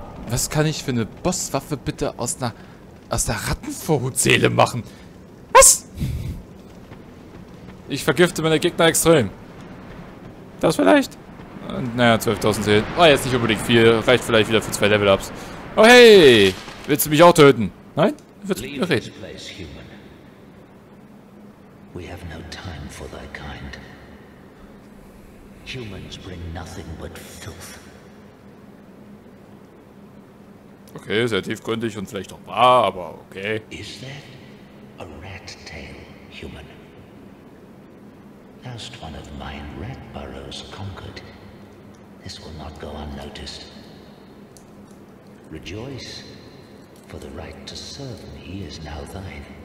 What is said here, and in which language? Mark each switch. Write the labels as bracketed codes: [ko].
[de] Was kann ich für eine Bosswaffe bitte aus der Rattenvorhutseele machen? Was? Ich vergifte meine Gegner extrem. Das vielleicht? Und, naja, 12.010. War jetzt nicht unbedingt viel. Reicht vielleicht wieder für 2 Level-Ups. Oh hey! Willst du mich auch töten? Nein? Willst du mich reden? [en] Place, human. We have no time for thy kind. Humans bring nothing but filth. [de] Okay, sehr tiefgründig und vielleicht auch wahr, aber okay. [en] Is that a rat tail, human? Last one of mine rat burrows conquered. This will not go unnoticed. Rejoice, for the right to serve me is now thine.